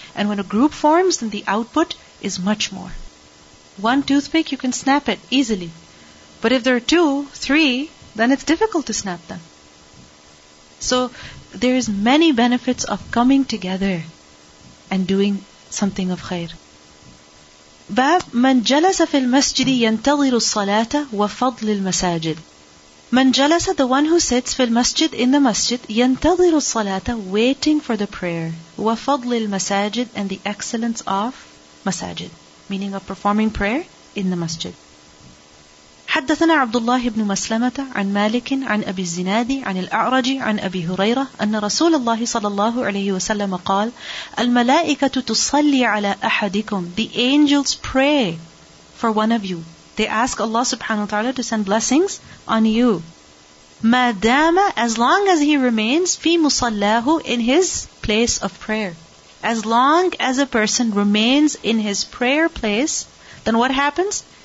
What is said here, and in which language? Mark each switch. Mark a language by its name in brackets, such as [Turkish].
[English] And when a group forms, then the output is much more. One toothpick, you can snap it easily. But if there are two, three, then it's difficult to snap them. So there is many benefits of coming together and doing something of khair. [Arabic] باب من جلس في المسجد ينتظر الصلاة وفضل المساجد. من جلس, [English] the one who sits [Arabic] في المسجد, [English] in the masjid, [Arabic] ينتظر الصلاة, [English] waiting for the prayer, [Arabic] وفضل المساجد, [English] and the excellence of masajid, meaning of performing prayer in the masjid. [Arabic] حدثنا عبد الله بن مسلمة عن مالك عن أبي الزناد عن الأعرج عن أبي هريرة أن رسول الله صلى الله عليه وسلم قال الملائكة تصلي على أحدكم. [English] The angels pray for one of you. They ask Allah subhanahu wa ta'ala to send blessings on you. [Arabic] ما دام, [English] as long as he remains [Arabic] في مصلاه, [English] in his place of prayer. As long as a person remains in his prayer place, then what happens?